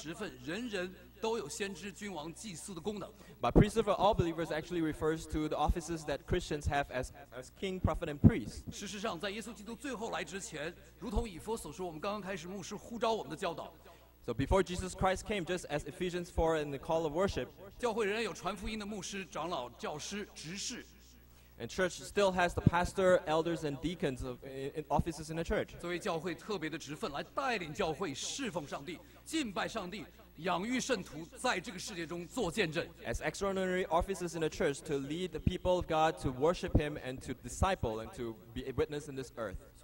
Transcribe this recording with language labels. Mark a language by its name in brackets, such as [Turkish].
[Chinese] 其实全民皆祭司是普遍的一般的职分，人人都有先知、君王、祭司的功能。 [English] But priesthood of all believers actually refers to the offices that Christians have as king, prophet, and priest. [Chinese] 事实上，在耶稣基督最后来之前，如同以弗所说，我们刚刚开始牧师呼召我们的教导。 [English] So before Jesus Christ came, just as Ephesians 4 and the call of worship, and church still has the pastor, elders, and deacons of in offices in the church. [Chinese] 作为教会特别的职分，来带领教会侍奉上帝，敬拜上帝，养育圣徒，在这个世界中做见证。 [English] As extraordinary offices in the church to lead the people of God to worship Him and to disciple and to be a witness in this earth.